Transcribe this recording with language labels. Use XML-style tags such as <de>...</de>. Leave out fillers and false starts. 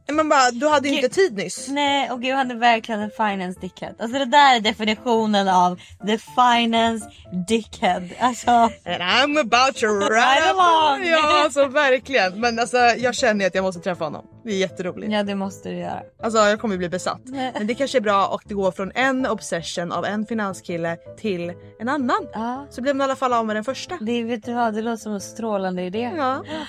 <sv>Men bara, du hade inte tid nyss. Nej, och gud, han är verkligen en finance dickhead. Alltså det där är definitionen av</sv> <en>the finance dickhead.</en> <sv>Alltså.</sv> <en>And I'm about to ride along.</en> <sv>Ja, alltså verkligen. Men alltså, jag känner att jag måste träffa honom. Det är jätteroligt. Ja, det måste du göra. Alltså, jag kommer bli besatt. Men det kanske är bra att det går från en obsession av en finanskille till en annan. Ja. Så blir man i alla fall av med den första. Det vet du vad, det låter som en strålande idé. Ja.</sv>